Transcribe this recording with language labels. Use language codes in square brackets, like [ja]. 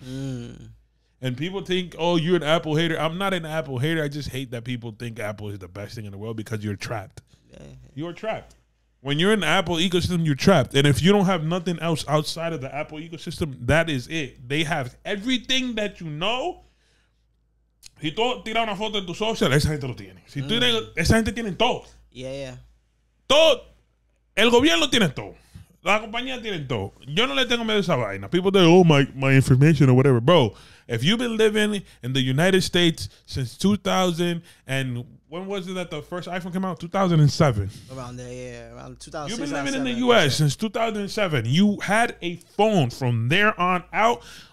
[en] And people think, oh, you're an Apple hater. I'm not an Apple hater. I just hate that people think Apple is the best thing in the world because you're trapped. You're trapped. When you're in the Apple ecosystem, you're trapped. And if you don't have nothing else outside of the Apple ecosystem, that is it. They have everything that you know. [es] Si tú tiras una foto en tu social, esa gente lo tiene. Si tú tienes, esa gente tiene todo. [en] Yeah. [es] Todo. El gobierno tiene todo. La compañía tiene todo. Yo no le tengo miedo a esa vaina. [en] People say, oh, my information or whatever. Bro, if you've been living in the United States since 2000 and... When was it that the first iPhone came out? 2007. Around there, yeah. Around 2006. You've been living in the U.S. since 2007. You had a phone from there on out.